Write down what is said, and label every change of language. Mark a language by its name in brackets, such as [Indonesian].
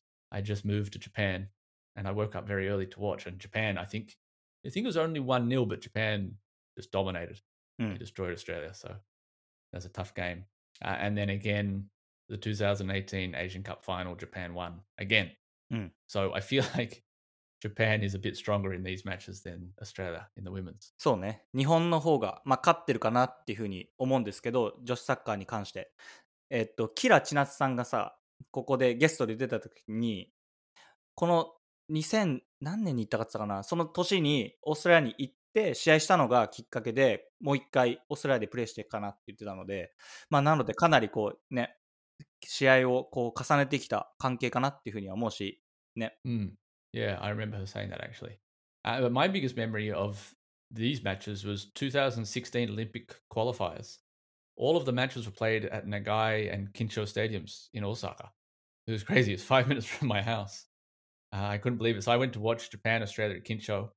[English] I just moved to Japan and I woke up very early to watch. And Japan, I think it was only 1-0, but Japan just dominated. They destroyed Australia. So that was a tough game. And then again, the 2018 Asian Cup final Japan won again. So I feel like Japan is a bit stronger in these matches than Australia in the women's. [Japanese] そうね。日本の方が、まあ、勝ってるかなっていうふうに思うんですけど、女子サッカーに関して。キラ千夏さんがさ、ここでゲストで出た時に、この2000何年に行ったかったかな、その年にオーストラリアに行って試合したのがきっかけで、もう一回オーストラリアでプレーしていくかなって言ってたので、まあなのでかなりこうね、試合をこう重ねてきた関係かなっていうふうには思うし、ね。 [English] Yeah, I remember her saying that actually. But my biggest memory of these matches was 2016 Olympic qualifiers. All of the matches were played at Nagai and Kincho stadiums in Osaka. It was crazy. It's 5 minutes from my house. I couldn't believe it. So I went to watch Japan, Australia at Kincho.